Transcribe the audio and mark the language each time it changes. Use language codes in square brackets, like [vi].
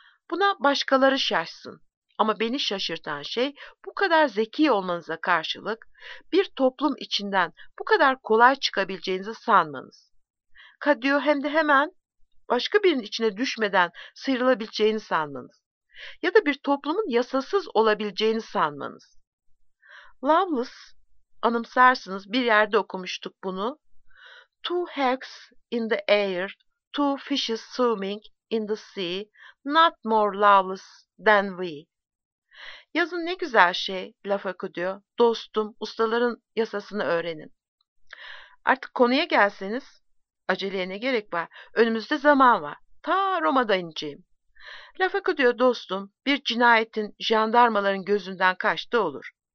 [tr] Buna başkaları şaşsın. Ama beni şaşırtan şey, bu kadar zeki olmanıza karşılık bir toplum içinden bu kadar kolay çıkabileceğinizi sanmanız. Kadıyo hem de hemen başka birinin içine düşmeden sıyrılabileceğini sanmanız. ya da bir toplumun yasasız olabileceğini sanmanız. Lovelace, anımsarsınız bir yerde okumuştuk bunu. [en] Two hawks in the air, two fishes swimming in the sea, not more loveless than we. [tr] Yazın ne güzel şey, laf akıyor. Dostum, ustaların yasasını öğrenin. Artık konuya gelseniz, aceleye ne gerek var? Önümüzde zaman var. Ta Roma'da ineceğim. Laf akıyor dostum, bir cinayetin jandarmaların gözünden kaçtı olur.